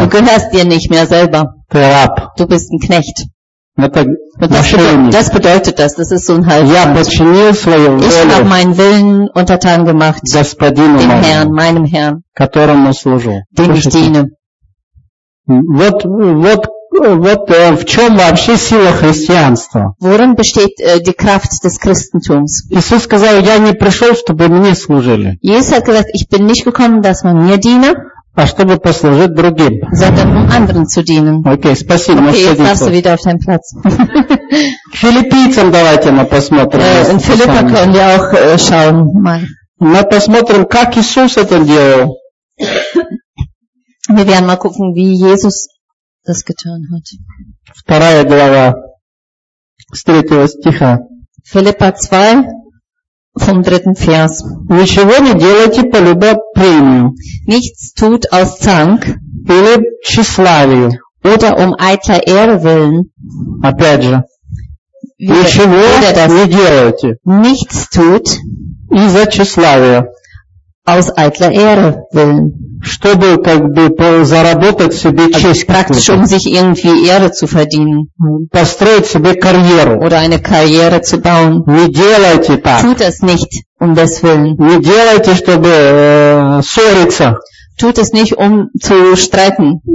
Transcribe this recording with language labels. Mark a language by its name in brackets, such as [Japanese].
[German] Du gehörst dir nicht mehr selber. [Russian] Ты раб. [German] Du bist ein Knecht. [Russian] Это [German] ошейник. Das bedeutet das. Das ist so ein Halsband. [Russian] Я подчинил свою волю. [German] Ich habe meinen Willen untertan gemacht. [Russian] Господину моему. [German] Dem Herrn, meinem Herrn. [Russian] Которому служу. [German] Dem ich diene. [Russian] Вот, в чем вообще сила христианства? [German] Worin besteht die Kraft des Christentums? [Russian] Иисус сказал, я не пришел, чтобы мне служили. [German] Jesus hat gesagt, ich bin nicht gekommen, dass man mir diene. [Russian] А чтобы послужить другим. [German] Sondern um anderen zu dienen. [Russian] Okay, спасибо. [German] Okay, jetzt darfst du wieder auf deinen Platz. [Russian] Филиппийцам давайте мы посмотрим. [German] In Philippa können wir auch schauen. Mal. [Russian] Мы посмотрим, как Иисус это делал. [German] Wir werden mal gucken, wie Jesus das getan hat. [Russian] Вторая глава, с третьего стиха. [German] Филиппа 2, vom dritten Vers. [Russian] Ничего не делайте по любопрению. [German] Nichts tut aus Zank. [Russian] Или тщеславию. [German] Oder um eitler Ehre willen. [Russian] Опять же. Ничего не делайте. [German] Nichts tut. [Russian] Из-за тщеславия. [German] Aus eitler Ehre willen. [Russian] Чтобы как бы заработать себе честь. [German] Практически, um sich irgendwie Ehre zu verdienen. [Russian] Построить себе карьеру. [German] Oder eine Karriere zu bauen. [Russian] Не делайте так. [German] Tut es nicht, um des Willen. [Russian] Не делайте, чтобы ссориться. [German] Tut es nicht, um zu streiten.